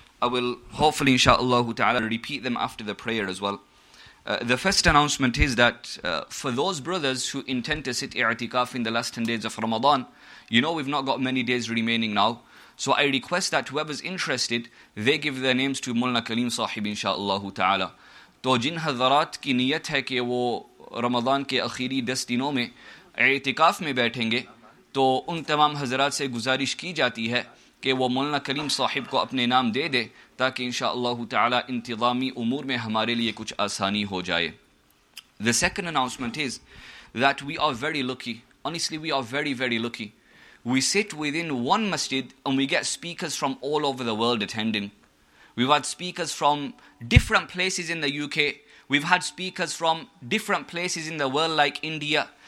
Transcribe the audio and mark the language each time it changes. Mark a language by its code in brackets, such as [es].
[en] I will hopefully, inshaAllah Ta'ala, repeat them after the prayer as well. The first announcement is that for those brothers who intend to sit i'tikaf in the last 10 days of Ramadan, you know we've not got many days remaining now. So I request that whoever's interested, they give their names to Mullah Kaleem Sahib, inshaAllah Ta'ala. [ur] To jin hazrat ki niyat hai ke wo Ramadan ke akhiri 10 dino mein اعتکاف میں بیٹھیں گے تو ان تمام حضرات سے گزارش کی جاتی ہے کہ وہ مولانا کریم صاحب کو اپنے نام دے دے تاکہ انشاءاللہ تعالی انتظامی امور میں ہمارے لیے کچھ آسانی ہو جائے. [en] The second announcement is that we are very lucky. Honestly, we are very, very lucky. We sit within one masjid and we get speakers from all over the world attending. We've had speakers from different places in the UK. We've had speakers from different places in the world like India.